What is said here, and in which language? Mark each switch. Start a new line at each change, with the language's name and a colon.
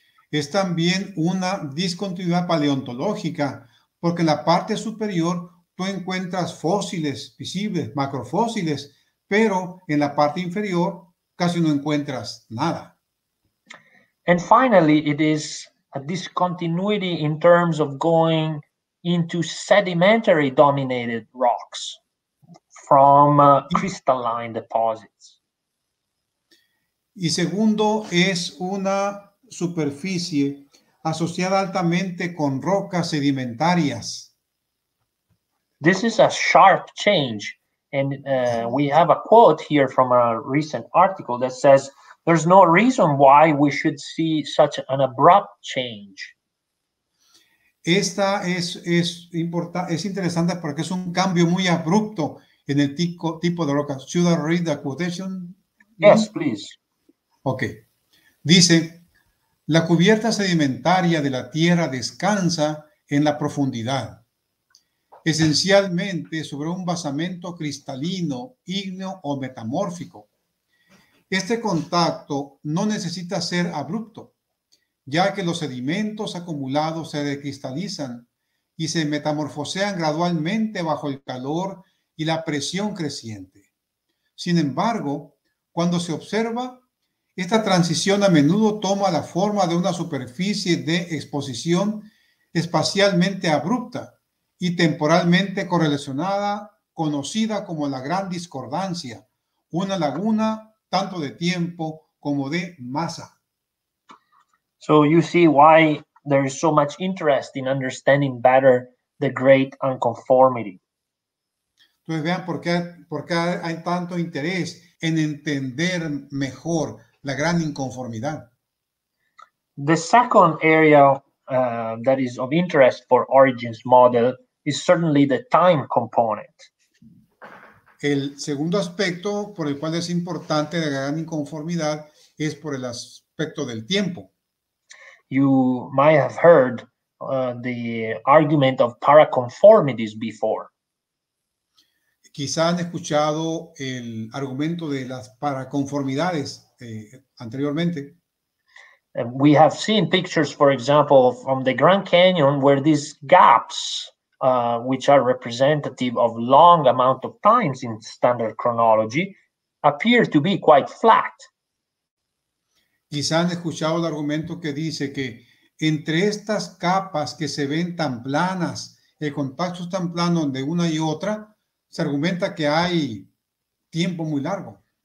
Spanish: Es también una discontinuidad paleontológica porque en la parte superior tú encuentras fósiles visibles, macrofósiles, pero en la parte inferior casi no encuentras nada.
English: And finally, it is a discontinuity in terms of going into sedimentary dominated rocks from crystalline deposits.
Spanish: Y segundo, es una superficie asociada altamente con rocas sedimentarias.
English: This is a sharp change. And we have a quote here from a recent article that says, there's no reason why we should see such an abrupt change.
Spanish: Esta es interesante porque es un cambio muy abrupto en el tipo de rocas.
English: Should I read the quotation? Yes, please.
Spanish: Okay. Dice, la cubierta sedimentaria de la Tierra descansa en la profundidad, esencialmente sobre un basamento cristalino, ígneo o metamórfico. Este contacto no necesita ser abrupto, ya que los sedimentos acumulados se decristalizan y se metamorfosean gradualmente bajo el calor y la presión creciente. Sin embargo, cuando se observa, esta transición a menudo toma la forma de una superficie de exposición espacialmente abrupta y temporalmente correlacionada, conocida como la gran discordancia, una laguna tanto de tiempo como de masa.
English: So you see why there is so much interest in understanding better the great unconformity.
Spanish: Entonces vean por qué hay tanto interés en entender mejor la gran inconformidad.
English: The second area that is of interest for Origins model is certainly the time component.
Spanish: El segundo aspecto por el cual es importante la gran inconformidad es por el aspecto del tiempo.
English: You might have heard the argument of paraconformities before.
Spanish: Quizá han escuchado el argumento de las paraconformidades anteriormente.
English: We have seen pictures, for example, from the Grand Canyon where these gaps, which are representative of long amount of times in standard chronology, appear to be quite flat.
Spanish: Quizá han escuchado el argumento que dice que entre estas capas que se ven tan planas, el contacto es tan plano de una y otra, se argumenta que hay tiempo muy largo.